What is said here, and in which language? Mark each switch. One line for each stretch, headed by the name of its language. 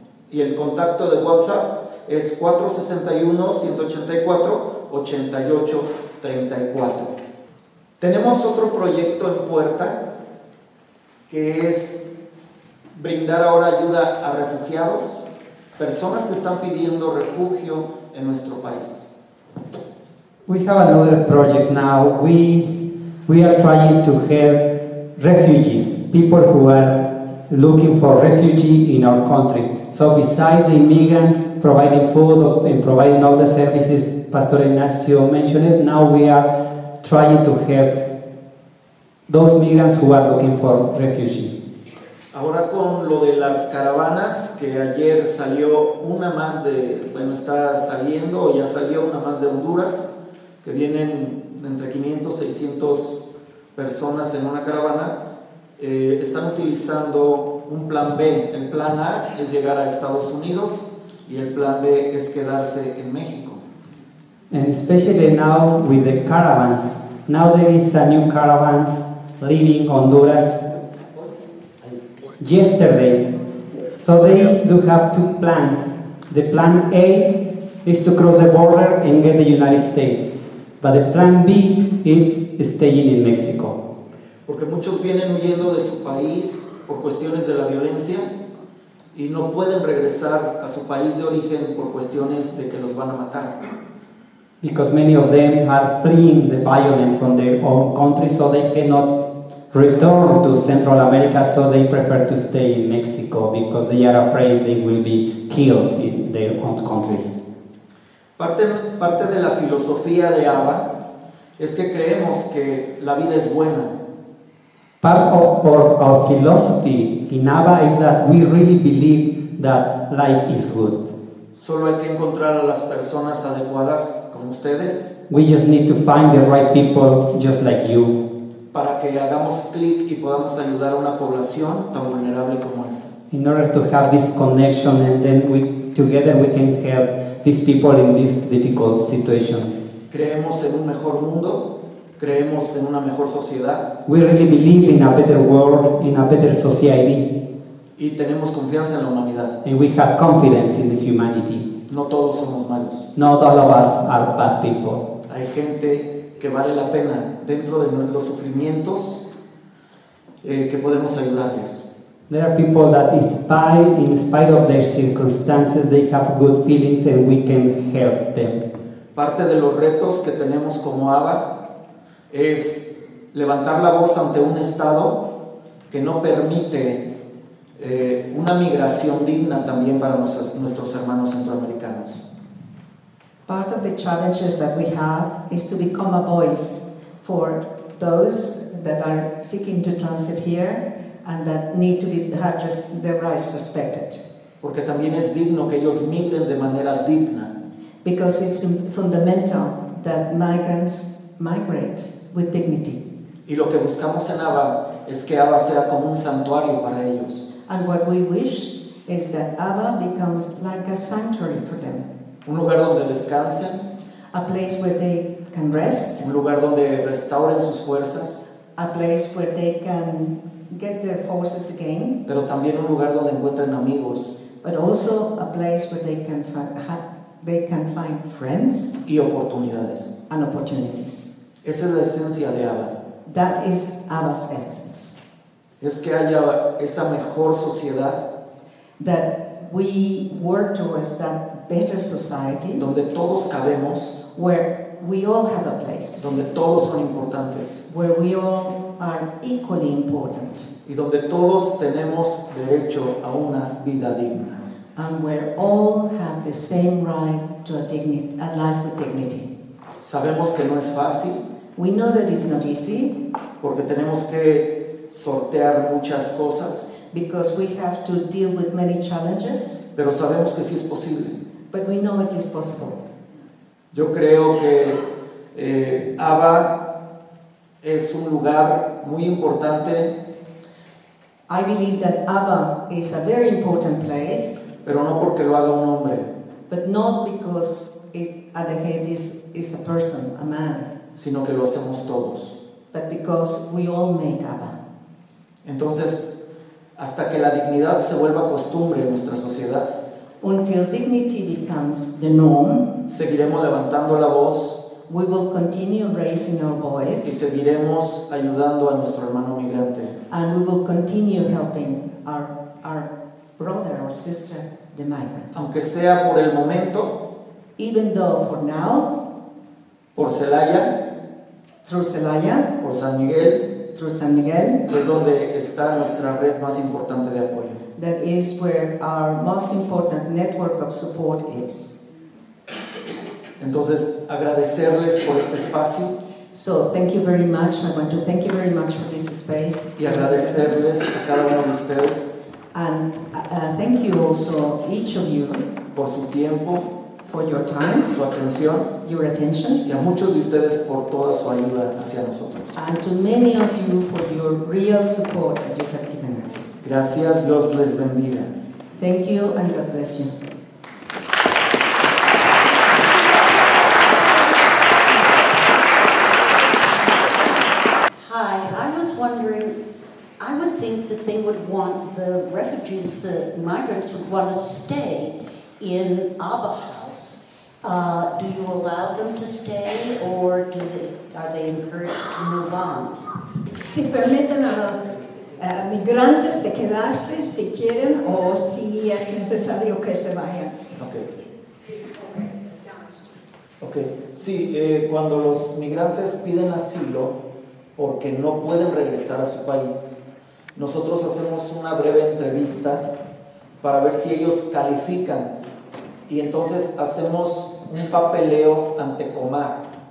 Spanish: Y el contacto de WhatsApp es 461-184-8834. Tenemos otro proyecto en puerta, que es brindar ahora ayuda a refugiados, personas que están pidiendo refugio en nuestro país.
English: We have another project now. We are trying to help refugees, people who are looking for refugee in our country. So besides the immigrants providing food and providing all the services Pastor Ignacio mentioned, now we are trying to help those migrants who are looking for refugee.
Spanish: Ahora con lo de las caravanas, que ayer salió una más de, bueno, está saliendo o ya salió una más de Honduras, que vienen entre 500 y 600 personas en una caravana, están utilizando un plan B. El plan A es llegar a Estados Unidos y el plan B es quedarse en México.
English: And especially now with the caravans, now there is a new caravan leaving Honduras yesterday. So they do have two plans. The plan A is to cross the border and get the United States. But the plan B is staying in Mexico.
Spanish: Porque muchos vienen huyendo de su país por cuestiones de la violencia y no pueden regresar a su país de origen por cuestiones de que los van a matar.
English: Because many of them are fleeing the violence on their own country, so they cannot return to Central America, so they prefer to stay in Mexico because they are afraid they will be killed in their own countries.
Spanish: Parte de la filosofía de ABBA es que creemos que la vida es buena.
English: Part of our philosophy in ABBA is that we really believe that life is good.
Spanish: Solo hay que encontrar a las personas adecuadas como ustedes.
English: We just need to find the right people just like you.
Spanish: Para que hagamos clic y podamos ayudar a una población tan vulnerable como esta.
English: In order to have this connection, and then together we can help these people in this difficult situation.
Spanish: Creemos en un mejor mundo, creemos en una mejor sociedad.
English: We really believe in a better world, in a better society.
Spanish: Y tenemos confianza en la humanidad.
English: And we have confidence in the humanity.
Spanish: No todos somos malos.
English: Not all of us are bad people.
Spanish: Hay gente que vale la pena dentro de los sufrimientos que podemos ayudarles.
English: There are people that in spite of their circumstances, they have good feelings and we can help them.
Spanish: Parte de los retos que tenemos como ABBA es levantar la voz ante un estado que no permite una migración digna también para nuestros hermanos centroamericanos.
English: Part of the challenges that we have is to become a voice for those that are seeking to transit here and that need to be, have just their rights respected.
Spanish: Porque también es digno que ellos migren de manera digna.
English: Because it's fundamental that migrants migrate with dignity.
Spanish: Y lo que buscamos en ABBA es que ABBA sea como un santuario para ellos.
English: And what we wish is that ABBA becomes like a sanctuary for them.
Spanish: Un lugar donde descansen.
English: A place where they can rest.
Spanish: Un lugar donde restauren sus fuerzas.
English: A place where they can get their forces again.
Spanish: Pero también un lugar donde encuentren amigos.
English: But also a place where they can find friends.
Spanish: Y oportunidades.
English: And opportunities.
Spanish: Esa es la esencia de ABBA.
English: That is ABBA's essence.
Spanish: Es que haya esa mejor sociedad.
English: That we work towards that better society.
Spanish: Donde todos cabemos.
English: Where we all have a place.
Spanish: Donde todos son importantes.
English: Where we all are equally important.
Spanish: Y donde todos tenemos derecho a una vida digna.
English: And where all have the same right to a life with dignity.
Spanish: Sabemos que no es fácil.
English: We know that it's not easy.
Spanish: Porque tenemos que sortear muchas cosas.
English: Because we have to deal with many challenges.
Spanish: Pero sabemos que sí es posible.
English: But we know it is possible.
Spanish: Yo creo que ABBA es un lugar muy importante.
English: I believe that ABBA is a very important place.
Spanish: Pero no porque lo haga un hombre.
English: But not because it, at the head is a person, a man.
Spanish: Sino que lo hacemos todos.
English: But because we all make ABBA.
Spanish: Entonces, hasta que la dignidad se vuelva costumbre en nuestra sociedad.
English: Until dignity becomes the norm.
Spanish: Seguiremos levantando la voz.
English: We will continue raising our voice.
Spanish: Y seguiremos ayudando a nuestro hermano migrante.
English: And we will continue helping our brother, our sister, the migrant.
Spanish: Aunque sea por el momento.
English: Even though for now.
Spanish: Por Celaya.
English: Through Celaya.
Spanish: Por San Miguel.
English: Through San Miguel.
Spanish: Es donde está nuestra red más importante de apoyo.
English: That is where our most important network of support is.
Spanish: Entonces, agradecerles por este espacio.
English: So, thank you very much. I want to thank you very much for this space.
Spanish: Y agradecerles a cada uno de ustedes.
English: And thank you also, each of you.
Spanish: Por su tiempo.
English: For your time.
Spanish: Su atención.
English: Your attention.
Spanish: Y a muchos de ustedes por toda su ayuda hacia nosotros.
English: And to many of you for your real support that you have given us.
Spanish: Gracias, Dios les bendiga.
English: Thank you and God bless you. Hi, I was wondering, I would think that they would want the refugees, the migrants would want to stay in ABBA House. Do you allow them to stay or do they, are they encouraged to move on?
Spanish: Si permiten a los migrantes de quedarse si quieren o si es necesario que se vayan. Okay. Sí, cuando los migrantes piden asilo porque no pueden regresar a su país, nosotros hacemos una breve entrevista para ver si ellos califican y entonces hacemos un papeleo ante Comar.